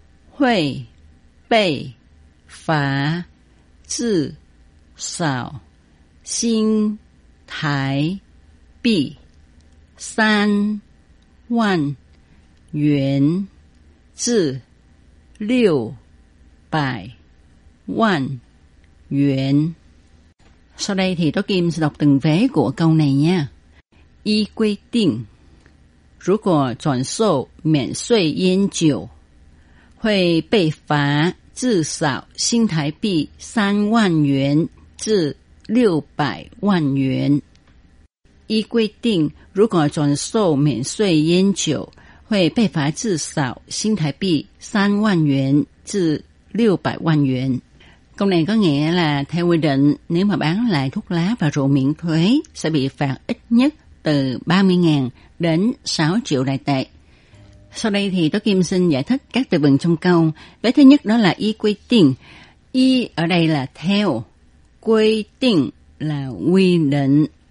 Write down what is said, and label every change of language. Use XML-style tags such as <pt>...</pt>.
<zh>hội bị phạt từ sáu xin thái bị 三万元至六百万元。</zh> <vi>Sau đây thì Tố Kim sẽ đọc từng vế của câu này nha.</vi> <zh>Y quy định, 如果转售免税烟酒，会被罚至少新台币三万元至六百万元。依规定，如果转售免税烟酒，会被罚至少新台币三万元至六百万元。</zh> <vi>Câu này có nghĩa là theo quy định, nếu mà bán lại thuốc lá và rượu miễn thuế sẽ bị phạt ít nhất từ 30.000 đến 6 triệu đại tệ. Sau đây thì Tố Kim xin giải thích các từ vựng trong câu. Vế thứ nhất đó là y quy định. Y ở đây là theo, quy định là quy định.</vi>